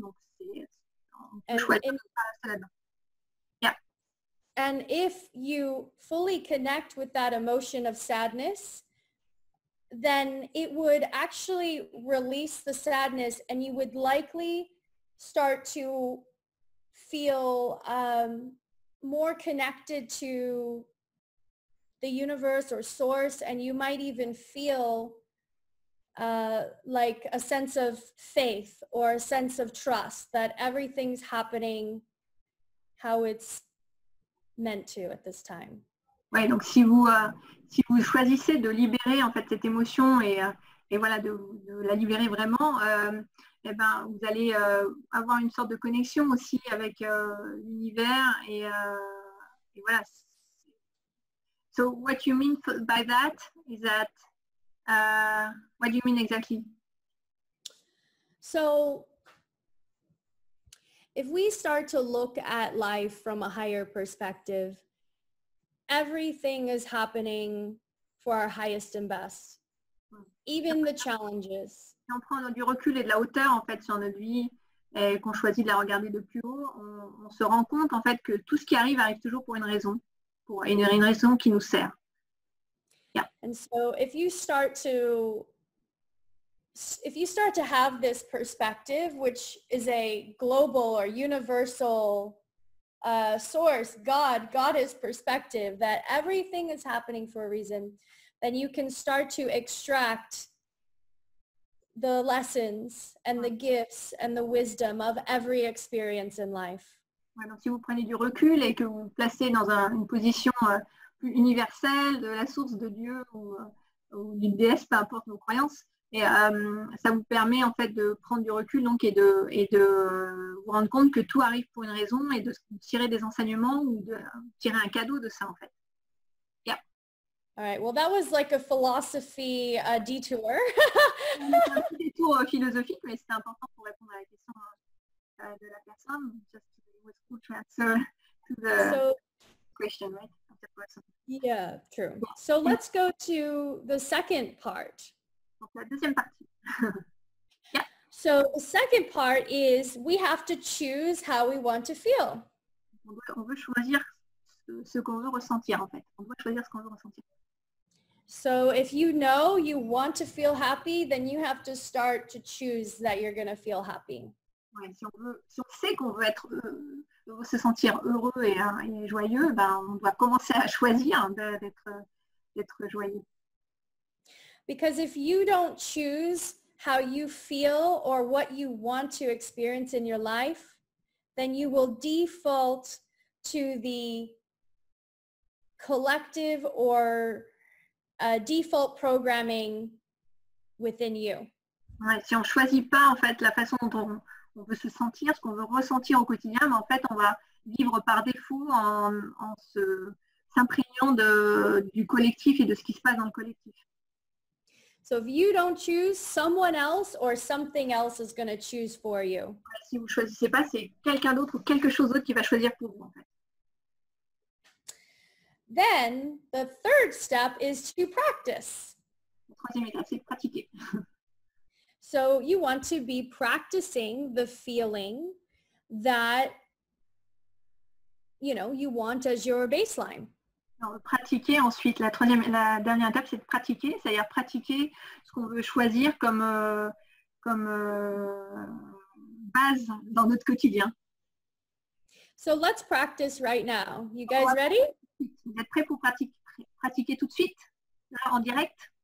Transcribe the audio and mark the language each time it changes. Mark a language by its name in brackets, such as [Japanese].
[French] Donc choisir de ne pas rester là-dedans. [English] And if you fully connect with that emotion of sadness, then it would actually release the sadness and you would likely start to feel more connected to the universe or source, and you might even feel like a sense of faith or a sense of trust that everything's happening how it's meant to at this time. [French] Ouais, donc si vous choisissez de libérer en fait cette émotion et voilà de la libérer vraiment, et ben vous allez avoir une sorte de connexion aussi avec l'univers et voilà. [English] So what you mean by that is that what do you mean exactly? So if we start to look at life from a higher perspective, everything is happening for our highest and best, even the challenges. [French] Si on prend du recul et de la hauteur en fait sur notre vie et qu'on choisit de la regarder de plus haut, on se rend compte en fait que tout ce qui arrive arrive toujours pour une raison, pour une raison qui nous sert. [English] Yeah. And so if you start to have this perspective, which is a global or universal source, God, Goddess perspective, that everything is happening for a reason, then you can start to extract the lessons and the gifts and the wisdom of every experience in life. [French] Ouais, donc si vous prenez du recul et que vous vous placez dans une position plus universelle de la source de Dieu ou d'une déesse, peu importe nos croyances, et ça vous permet en fait de prendre du recul donc et de vous rendre compte que tout arrive pour une raison et de tirer des enseignements ou de tirer un cadeau de ça en fait. [English] Yeah. All right. Well, that was like a philosophy detour. [French] Un petit détour philosophique, mais c'était important pour répondre à la question de la personne. [English] Just to be cool to answer to the question, right? Yeah, true. Yeah. So let's go to the second part. Yeah. So the second part is we have to choose how we want to feel. [French] On veut choisir ce qu'on veut ressentir en fait. On veut choisir ce qu'on veut ressentir. [English] So if you know you want to feel happy, then you have to start to choose that you're going to feel happy. [French] Ouais, si on sait qu'on veut être se sentir heureux et joyeux, ben on doit commencer à choisir d'être joyeux. [English] Because if you don't choose how you feel or what you want to experience in your life, then you will default to the collective or default programming within you. [French] Ouais, si on choisit pas en fait la façon dont on veut se sentir, ce qu'on veut ressentir au quotidien, mais en fait on va vivre par défaut en se s'imprégnant du collectif et de ce qui se passe dans le collectif. [English] So if you don't choose, someone else or something else is going to choose for you. [French] Si vous choisissez pas, c'est quelqu'un d'autre ou quelque chose d'autre qui va choisir pour vous, en fait. [English] Then the third step is to practice. [French] La troisième étape, c'est pratiquer. [English] So you want to be practicing the feeling that, you know, you want as your baseline. [French] Pratiquer ensuite, la dernière étape, c'est de pratiquer, c'est-à-dire pratiquer ce qu'on veut choisir comme, base dans notre quotidien. [English] So let's practice right now. You guys ready? [French] Vous êtes prêts pour pratiquer tout de suite, là, en direct?